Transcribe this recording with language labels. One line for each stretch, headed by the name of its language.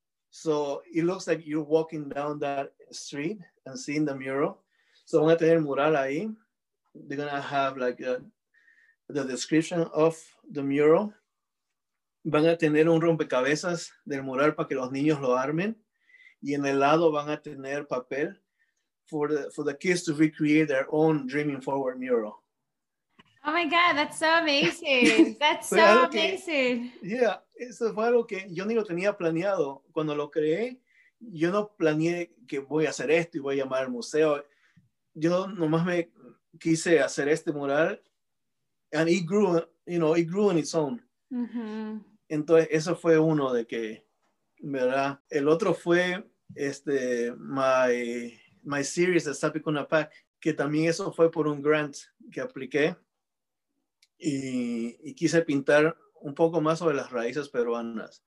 English: So it looks like you're walking down that street and seeing the mural. So
Spanish: van a tener el mural ahí.
English: They're going to have like the description of the mural.
Spanish: Van a tener un rompecabezas del mural para que los niños lo armen. Y en el lado van a tener papel
English: for the kids to recreate their own Dreaming Forward mural. Oh my God, that's so amazing. That's so amazing.
Spanish: Que,
English: yeah.
Spanish: Eso fue algo que yo ni lo tenía planeado. Cuando lo creé, yo no planeé que voy a hacer esto y voy a llamar al museo. Yo nomás me quise hacer este mural.
English: And it grew, you know, it grew on its own.
Spanish: Uh-huh. Entonces, eso fue uno de que, ¿verdad? El otro fue este,
English: my series
Spanish: de Sapikunapak, que también eso fue por un grant que apliqué. Y quise pintar un poco más sobre las raíces peruanas.